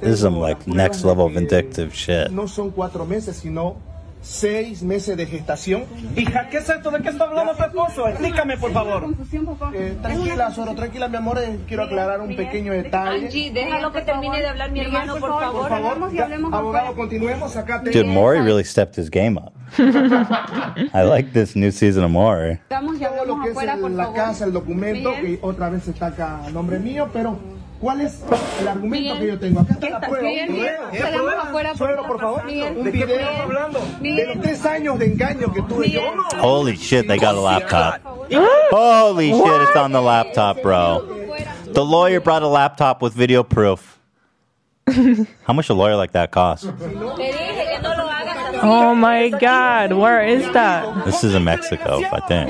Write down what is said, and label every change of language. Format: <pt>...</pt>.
<en>This is some like next level vindictive shit.</en> <es>No son cuatro meses, sino seis meses de gestación. Hija, ¿qué es esto? ¿De qué está hablando tu esposo? Explícame, por favor. Tranquila, Zoro, tranquila, mi amor. Quiero aclarar un pequeño detalle. Angie, déjalo que termine de hablar mi hermano, por favor. Abogado, continuemos acá.</es> <en>Dude, Maury really stepped his game up. I like this new season of Maury.</en> <es>Estamos hablando afuera, por favor. La casa, el documento, y otra vez está acá el nombre mío, pero... ¿Cuál es el argumento que yo tengo? Acá está la prueba. Bien, bien. ¿Prueba? Salamos afuera. Suegro, por favor. Bien. ¿De qué estamos hablando? Bien. De los tres años de engaño que tuve yo.</es> <en>Holy shit, they got a laptop. Holy shit, it's on the laptop, bro. The lawyer brought a laptop with video proof. How much a lawyer like that cost? Oh my God, where is that? This is in Mexico, I think.</en>